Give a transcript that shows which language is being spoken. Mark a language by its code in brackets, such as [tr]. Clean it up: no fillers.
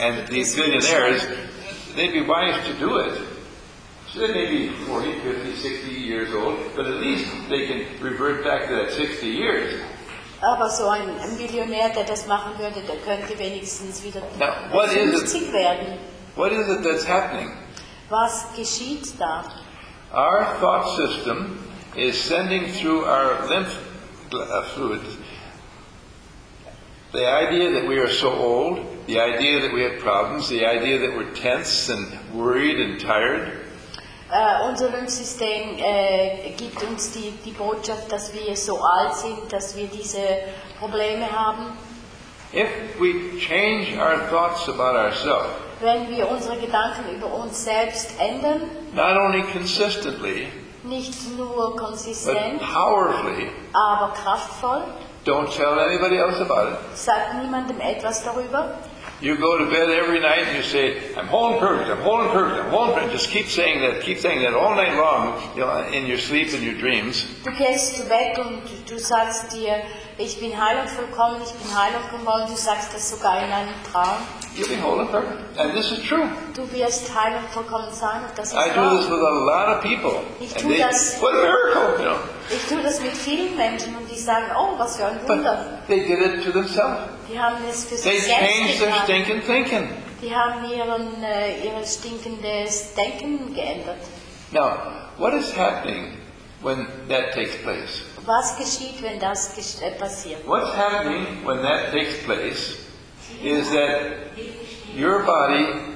[en] and these billionaires, they'd be wise to do it. So they may be 40, 50, 60 years old, but at least they can revert back to that 60 years. [de] Aber so ein Millionär, der das machen würde, der könnte wenigstens wieder 50 werden. [en] What is it that's happening? [de] Was geschieht da? [en] Our thought system is sending through our lymph fluid the idea that we are so old, the idea that we have problems, the idea that we're tense and worried and tired. [de] Unser Lymphsystem gibt uns die Botschaft, dass wir so alt sind, dass wir diese Probleme haben. [en] If we change our thoughts about ourselves, [de] wenn wir unsere Gedanken über uns selbst ändern, [en] not only consistently, [de] nicht nur konsistent, [en] but powerfully, [de] aber kraftvoll. [en] Don't tell anybody else about it. [de] Sag niemandem etwas darüber. [en] You go to bed every night and you say, I'm whole and perfect, I'm whole and perfect, I'm whole and perfect. Just keep saying that all night long, you know, in your sleep and your dreams. [de] Du gehst zu Bett und du sagst dir, ich bin heil und vollkommen, ich bin heil und vollkommen. Du sagst das sogar in einem Traum. [en] You'll be whole and perfect. And this is true. [de] Du wirst heil und vollkommen sein, und das ist [en] I [de] wahr. [en] Do this with a lot of people. [de] Ich tue das, [en] what a miracle, you know. [de] Ich tue das mit vielen Menschen und die sagen, oh, was für ein Wunder. [en] But they did it to themselves. They changed their stinking thinking. [de] Die haben ihre stinkendes Denken geändert. [en] Now, what is happening when that takes place? [de] Was geschieht, wenn das passiert? [en] What's happening when that takes place is that your body.